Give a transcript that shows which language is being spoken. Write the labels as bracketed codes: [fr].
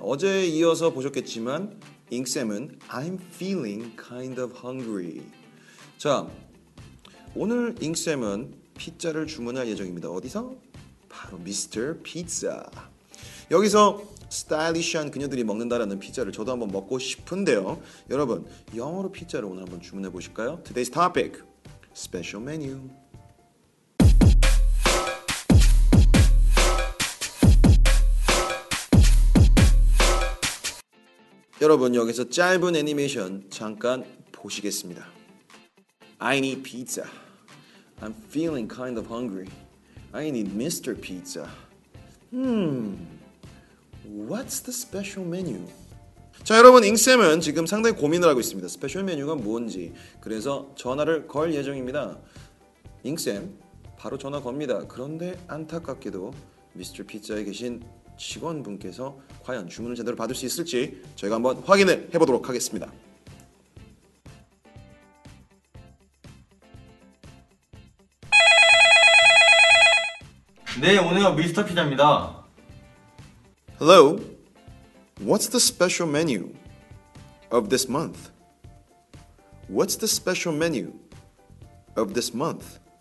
[ko] 어제에 이어서 보셨겠지만, 잉쌤은 [en] I'm feeling kind of hungry. [ko] 자, 오늘 잉쌤은 피자를 주문할 예정입니다. 어디서? 바로 Mr. Pizza. 여기서 스타일리시한 그녀들이 먹는다라는 피자를 저도 한번 먹고 싶은데요. 여러분, 영어로 피자를 오늘 한번 주문해 보실까요? [en] Today's topic, special menu. [ko] 여러분, 여기서 짧은 애니메이션 잠깐 보시겠습니다. [en] I need pizza. I'm feeling kind of hungry. I need Mr. Pizza. What's the special menu? [ko] 자, 여러분, 잉쌤은 지금 상당히 고민을 하고 있습니다. 스페셜 메뉴가 뭔지. 그래서 전화를 걸 예정입니다. 잉쌤, 바로 전화 겁니다. 그런데 안타깝게도 Mr. Pizza에 계신 직원분께서 과연 주문을 제대로 받을 수 있을지 저희가 한번 확인을 해보도록 하겠습니다. 네, 오늘은 미스터 피자입니다. [en] Hello. What's the special menu of this month? What's the special menu of this month?